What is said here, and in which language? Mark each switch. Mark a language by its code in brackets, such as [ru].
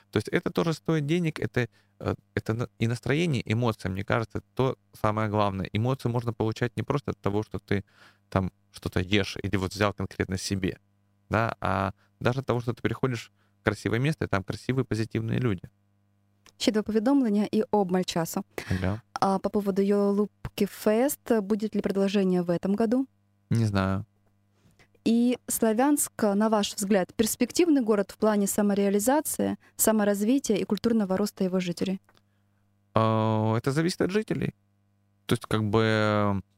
[ru] То есть это тоже стоит денег, это и настроение, эмоции, мне кажется, то самое главное. Эмоции можно получать не просто от того, что ты там что-то ешь или вот взял конкретно себе, да, а даже от того, что ты приходишь в красивое место, и там красивые, позитивные люди. [uk] Ще два повідомлення і обмаль часу. [ru] Да. По поводу Йолупки Фест, буде ли предложение в этом году? Не знаю. И Славянск, на ваш взгляд, перспективный город в плане самореализации, саморазвития и культурного роста его жителей? Это зависит от жителей. То есть как бы